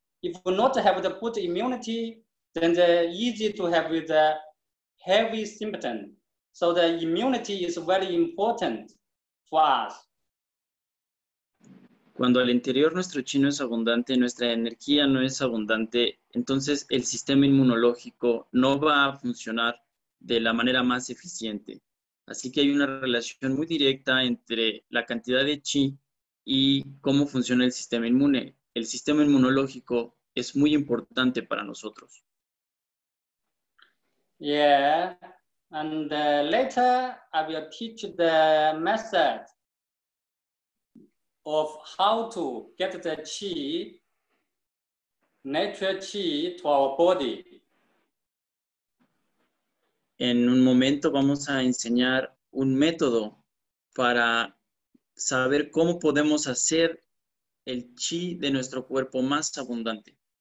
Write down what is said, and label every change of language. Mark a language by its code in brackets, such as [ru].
[en] If not have the good immunity, then they're easy to have the heavy symptom. So the immunity is very important for us. [es] Cuando al interior nuestro chi no es abundante, nuestra energía no es abundante, entonces el sistema inmunológico no va a funcionar de la manera más eficiente. Así que hay una relación muy directa entre la cantidad de chi y cómo funciona el sistema inmune. El sistema inmunológico es muy importante para nosotros. [en] Yeah, and later I will teach the method of how to get the chi, natural chi, to our body. [es] En un momento vamos a enseñar un método para saber cómo podemos hacer el chi de nuestro cuerpo más abundante.